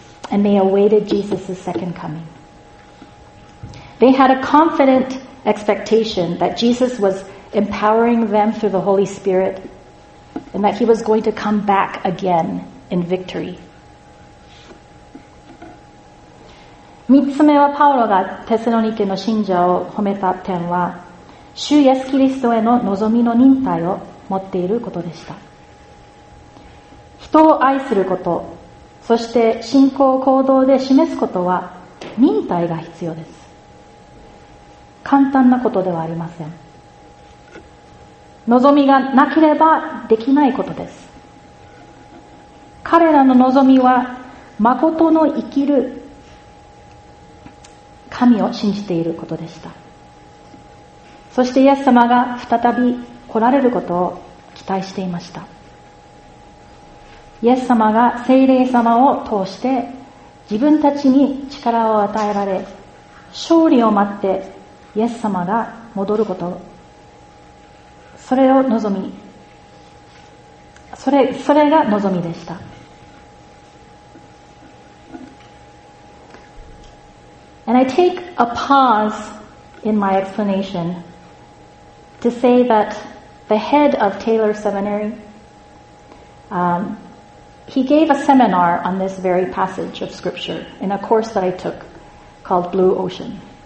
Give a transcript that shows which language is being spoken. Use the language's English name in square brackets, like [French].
[English] And they awaited Jesus' second coming. They had a confident expectation that Jesus was empowering them through the Holy Spirit and that he was going to come back again in victory. [Japanese] 三つ目はパウロがテスロニケの信者を褒めた点は、主イエスキリストへの望みの忍耐を持っていることでした。人を愛すること、そして信仰を行動で示すことは忍耐が必要です。簡単なことではありません。望みがなければできないことです。彼らの望みは誠の生きる神を信じていることでした。そしてイエス様が再び来られることを期待していました。イエス様が聖霊様を通して自分たちに力を与えられ、勝利を待ってイエス様が戻ること、それを望み、それが望みでした。 [English] And I take a pause in my explanation to say that the head of Taylor Seminary, he gave a seminar on this very passage of scripture in a course that I took called Blue Ocean.